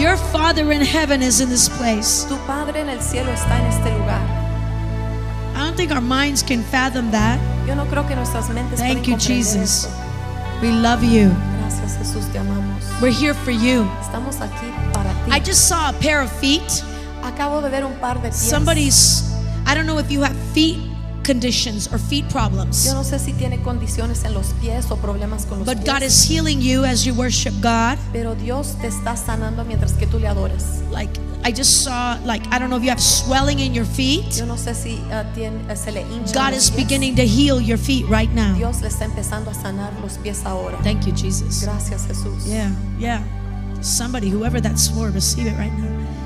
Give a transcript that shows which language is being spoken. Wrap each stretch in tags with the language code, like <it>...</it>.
<en>Your Father in heaven is in this place.</en> <es>Tu Padre en el cielo está en este lugar.</es> <en>I don't think our minds can fathom that.</en> <es>Yo no creo que nuestras mentes pueden comprender.</es> <en>Thank you, Jesus. We love you.</en> <es>Gracias, Jesús, te amamos.</es> <en>We're here for you.</en> <es>Estamos aquí para ti.</es> <en>I just saw a pair of feet.</en> <es>Acabo de ver un par de pies.</es> <en>Somebody's, I don't know if you have feet conditions or feet problems.</en> <es>Yo no sé si tiene condiciones en los pies o problemas con los</es> <en>but</en> <es>pies.</es> <en>God is healing you as you worship God.</en> <es>Pero Dios te está sanando mientras que tú le adores.</es> <en>Like I just saw, like I don't know if you have swelling in your feet.</en> <es>Yo no sé si se le hincha.</es> <en>God is beginning to heal your feet right now.</en> <es>Dios le está empezando a sanar los pies ahora.</es> <en>Thank you, Jesus.</en> <es>Gracias, Jesús.</es> <en>Yeah, yeah. Somebody, whoever that's for, receive it right now.</en>